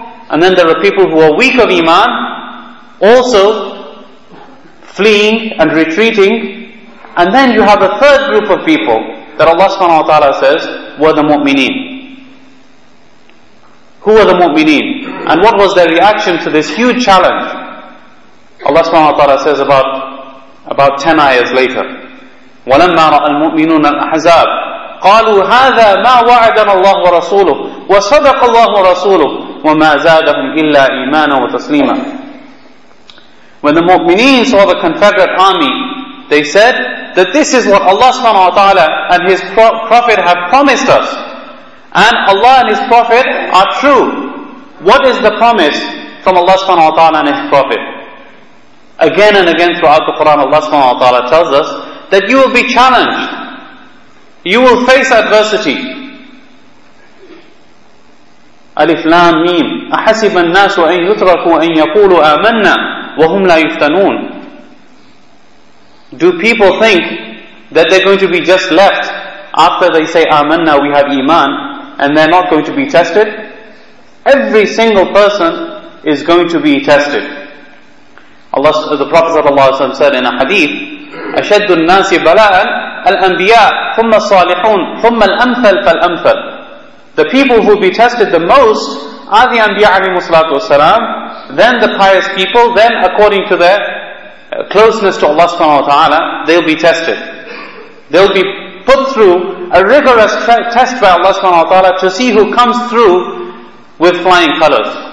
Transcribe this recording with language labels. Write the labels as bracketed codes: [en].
[en] And then there are people who are weak of Iman, also fleeing and retreating. And then you have a third group of people that Allah subhanahu wa ta'ala says were the mu'mineen. Who were the mu'mineen? And what was their reaction to this huge challenge? Allah subhanahu wa ta'ala says about 10 ayahs later, [ar] وَلَمَّا رَأَ الْمُؤْمِنُونَ الْأَحْزَابِ قَالُوا هَذَا مَا وَعَدَنَ اللَّهُ وَرَسُولُهُ وَصَدَقَ اللَّهُ وَرَسُولُهُ وَمَا زَادَهُمْ إِلَّا إِيمَانًا وَتَسْلِيمًا. [en] When the mu'mineen saw the confederate army, they said that this is what Allah subhanahu wa ta'ala and His Prophet have promised us. And Allah and His Prophet are true. What is the promise from Allah subhanahu wa ta'ala and His Prophet? Again and again throughout the Quran, Allah subhanahu wa ta'ala tells us that you will be challenged. You will face adversity. [ar] Alif Lam Mim. أحسب الناس أن يتركوا أن يقولوا آمنا وهم لا يفتنون. [en] Do people think that they're going to be just left after they say Amanna, we have Iman, and they're not going to be tested? Every single person is going to be tested. The Prophet ﷺ said in a hadith, [ar] أَشَدُّ النَّاسِ بَلَاءً الْأَنْبِيَاءِ ثُمَّ الصَّالِحُونَ ثُمَّ الْأَمْثَلُ فَالْأَمْثَلُ. [en] The people who will be tested the most are the Anbiya alayhimu salatu wasalam, then the pious people, then according to their closeness to Allah subhanahu wa ta'ala, they'll be tested. They'll be put through a rigorous test by Allah subhanahu wa ta'ala to see who comes through with flying colors.